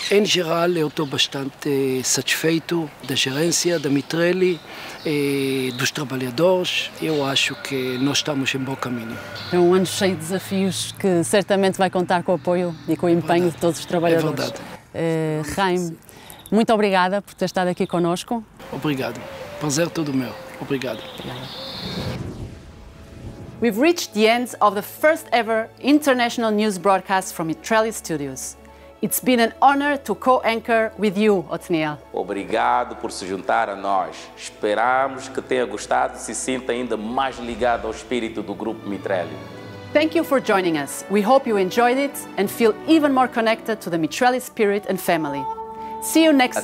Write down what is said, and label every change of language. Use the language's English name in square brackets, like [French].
[Portuguese] Em geral, eu estou bastante satisfeito da gerência da Mitrelli e dos trabalhadores. Eu acho que nós estamos em bom caminho. É um ano cheio de desafios que certamente vai contar com o apoio e com o empenho de todos os trabalhadores. É verdade. Raim, muito obrigada por ter estado aqui connosco. Obrigado. Prazer todo meu. Obrigado. [English] We've reached the end of the first ever international news broadcast from Mitrelli Studios. It's been an honor to co-anchor with you, Otniel. [Portuguese] Obrigado por se juntar a nós. Esperamos que tenha gostado e se sinta ainda mais ligado ao espírito do grupo Mitrelli. [English] Thank you for joining us. We hope you enjoyed it and feel even more connected to the Mitrelli spirit and family. See you next